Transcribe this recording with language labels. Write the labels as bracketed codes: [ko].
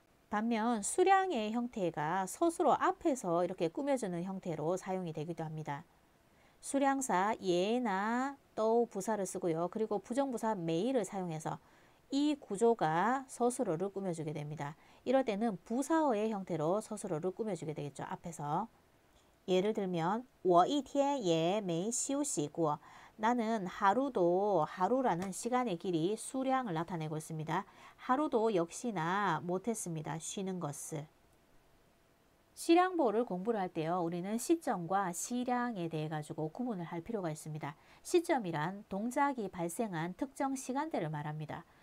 [ko] 반면 수량의 형태가 서술어 앞에서 이렇게 꾸며주는 형태로 사용이 되기도 합니다. 수량사 예나 또 부사를 쓰고요. 그리고 부정부사 매일을 사용해서 이 구조가 서술어를 꾸며주게 됩니다. 이럴 때는 부사어의 형태로 서술어를 꾸며주게 되겠죠. 앞에서. 예를 들면 [zh] 我一天也没休息过. [ko] 나는 하루도 하루라는 시간의 길이 수량을 나타내고 있습니다. 하루도 역시나 못했습니다. 쉬는 것을. 실향보호를 공부를 할 때요, 우리는 시점과 실향에 대해 가지고 구분을 할 필요가 있습니다. 시점이란 동작이 발생한 특정 시간대를 말합니다.